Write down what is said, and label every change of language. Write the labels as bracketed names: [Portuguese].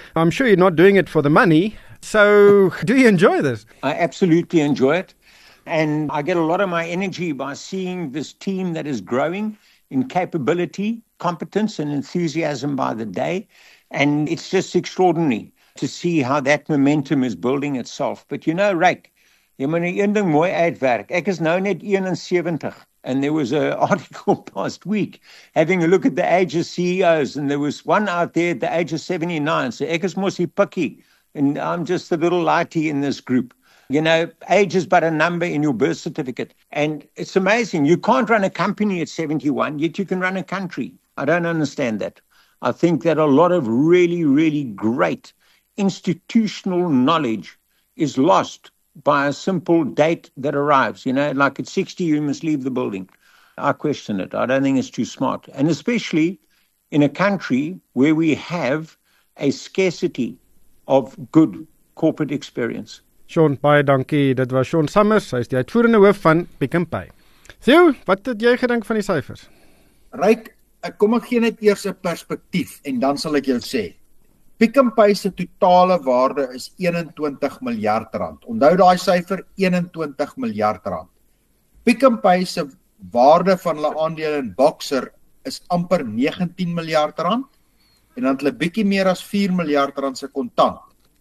[English] I'm sure you're not doing it for the money, so do you enjoy this? I absolutely enjoy it. And I get a lot of my energy by seeing this team that is growing in capability, competence, and enthusiasm by the day. And it's just extraordinary to see how that momentum is building itself. But you know, [Afrikaans] Rick, jy moet nie een ding mooi uitwerk. Ek is nou net 71. [English] And there was an article last week having a look at the age of CEOs. And there was one out there at the age of 79. So [Afrikaans] ek is mos die pikkie. [English] And I'm just a little lighty in this group. You know, age is but a number in your birth certificate. And it's amazing. You can't run a company at 71, yet you can run a country. I don't understand that. I think that a lot of really, really great institutional knowledge is lost by a simple date that arrives. You know, like at 60, you must leave the building. I question it. I don't think it's too smart. And especially in a country where we have a scarcity of good corporate experience. [Afrikaans] Sean, baie dankie. Dit was Sean Summers. Hy is die uitvoerende hoof van Pick n Pay. Theo, wat het jy gedink van die syfers? Ryk, kom ek gee net eers 'n perspektief en dan sal ek jou sê. Pick n Pay se totale waarde is 21 miljard rand. Onthou daai syfer, 21 miljard rand. Pick n Pay se waarde van hulle aandele in Boxer is amper 19 miljard rand en dan het hulle bietjie meer as 4 miljard rand se kontant.